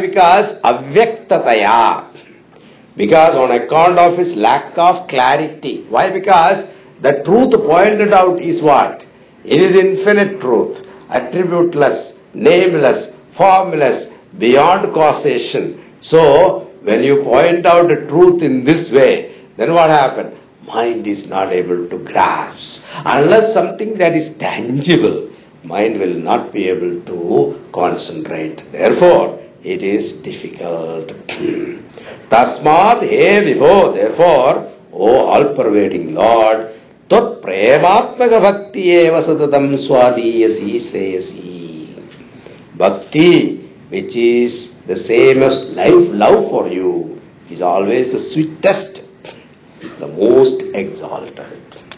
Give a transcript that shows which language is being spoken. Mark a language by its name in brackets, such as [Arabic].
[English] Because అవ్యక్తతయా, because on account of his lack of clarity. Why? Because the truth pointed out is what? It is infinite truth, attributeless, nameless, formless, beyond causation. So when you point out the truth in this way, then what happened? Mind is not able to grasp. Unless something that is tangible, mind will not be able to concentrate. Therefore it is difficult. [Sanskrit] Tasmad he vibho, [English] therefore O all pervading Lord, [Sanskrit] తత్ ప్రేమాత్మక భక్తి ఏవ సతతం స్వాదీయసి శ్రేయసి. [English] భక్తి which is the same as life love for you is always the sweetest, the most exalted.